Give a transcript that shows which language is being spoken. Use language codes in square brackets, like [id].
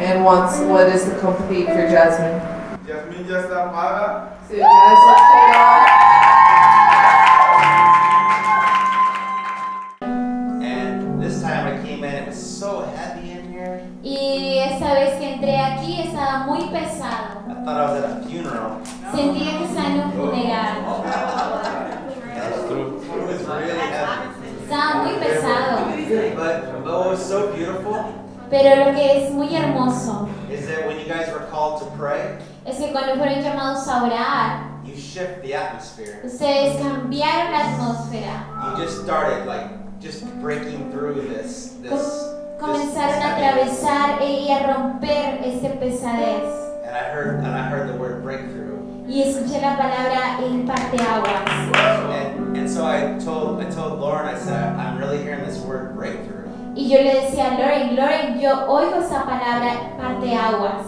[en] And once, what is the complete for Jasmine? [es] Jasmine ya está paga. Sí, ya está paga. [en] And this time I came in, it was so heavy in here. [es] Y esta vez que entré aquí estaba muy pesado. [en] I thought I was at a funeral. [es] Sentía que estaba en un funeral. [en] That was true. It was really heavy. [es] Estaba muy pesado. [en] But what was so beautiful? [es] Pero lo que es muy hermoso. [en] Is that when you guys were called to pray? [es] Es que cuando fueron llamados a orar. [en] You shift the atmosphere. [es] Ustedes cambiaron la atmósfera. [en] You just started like just breaking through this. [es] Comenzaron a atravesar y a romper este pesadez. [en] And I heard the word breakthrough. [es] Y escuché la palabra el parteaguas. [en] And so I told Lauren, I said, I'm really hearing this word breakthrough. [es] Y yo le decía a Lauren, yo oigo esa palabra parteaguas.